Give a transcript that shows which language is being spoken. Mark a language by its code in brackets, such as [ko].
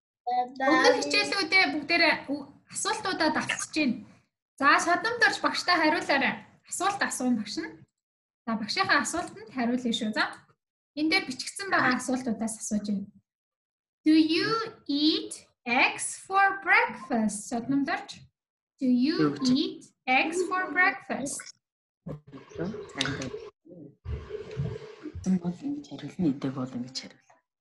[mn] Өмнөх хичээлүүдээ бүгдээрээ асуултуудаа давтчихж байна. За, Satnam Garch багштай хариулаарай. Асуулт асуусан багш нь. За багшийнхаа асуултанд хариулъя шүү. За. Энд дээр бичгдсэн байгаа асуултуудаас асууж байна. [en] Do you eat eggs for breakfast? [mn] Сатнам дарч. [en] Do you eat eggs for breakfast? [mn] Сатнам дарч. Энэ хариулт нь идэг бол ингэ хариулла.